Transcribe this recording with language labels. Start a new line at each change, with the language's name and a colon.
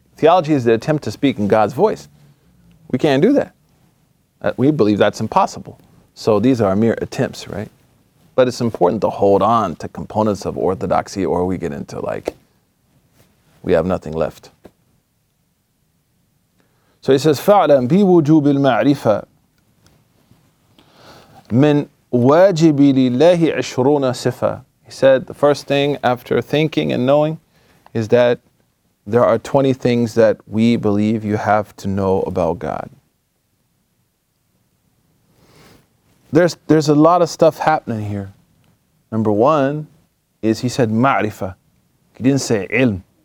English: Theology is the attempt to speak in God's voice. We can't do that. We believe that's impossible. So these are mere attempts, right? But it's important to hold on to components of orthodoxy, or we get into like, we have nothing left. So he says,
Arabic: فَعْلَمْ بِوُجُوبِ الْمَعْرِفَةِ مِنْ وَاجِبِ لِلَّهِ عِشْرُونَ صِفَةً.
English: He said, the first thing after thinking and knowing is that there are 20 things that we believe you have to know about God. There's a lot of stuff happening here. Number one is, he said ma'rifa. He didn't say ilm.